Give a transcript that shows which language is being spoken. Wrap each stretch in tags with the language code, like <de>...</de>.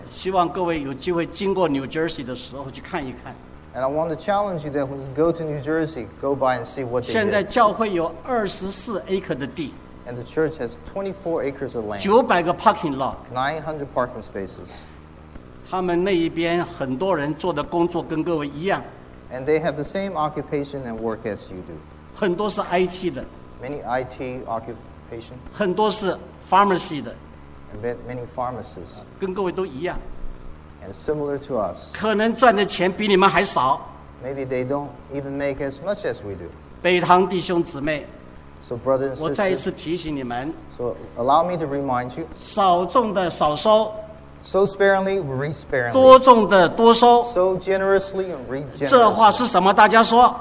<zh>希望各位有机会经过纽泽西的时候去看一看。</zh> <en>And I want to challenge you that when you go to New Jersey, go by and see what they did.</en> <zh>现在教会有24acre的地。</zh> <en>And the church has 24 acres of land.</en> <zh>900个 parking lot.</zh> <en>900 parking spaces.</en> <zh>他们那一边很多人做的工作跟各位一样。</zh> <en>And they have the same occupation and work as you do.</en> <zh>很多是IT的。</zh> <en>Many IT occupation.</en> <zh>很多是pharmacy的。</zh> <en>And many pharmacists.</en> <zh>跟各位都一样。</zh> <en>And similar to us.</en> <zh>可能赚的钱比你们还少。</zh> <en>Maybe they don't even make as much as we do.</en> <zh>北堂弟兄姊妹。</zh> <en>So brothers and sisters,</en> <zh>我再一次提醒你们,</zh> <en>so allow me to remind you,</en> <zh>少种的少收,</zh> <en>so sparingly, reap sparingly,</en> <zh>多种的多收,</zh> <en>so generously and reap generously.</en> <zh>这话是什么大家说?</zh>